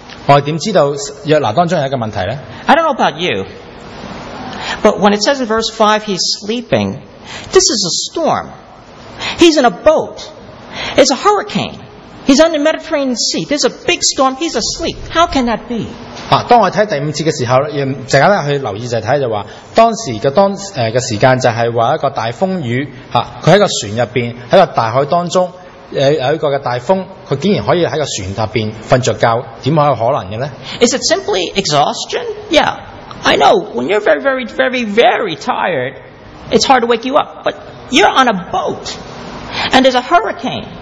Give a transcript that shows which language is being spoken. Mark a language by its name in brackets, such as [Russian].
[Chinese] 我怎么知道约拿当中有一个问题呢? [English] I don't know about you, but when it says in verse 5 he's sleeping, this is a storm. He's in a boat. It's a hurricane. He's on the Mediterranean Sea. There's a big storm. He's asleep. How can that be? [Chinese] 当我看第五节的时候,大家去留意,就是说,当时的时间就是说,一个大风雨,他在一个船里面,在大海当中,有一个大风,他竟然可以在一个船里面睡觉,怎么可能呢? [English] Is it simply exhaustion? Yeah, I know, when you're very, very, very, very tired, it's hard to wake you up, but you're on a boat, and there's a hurricane.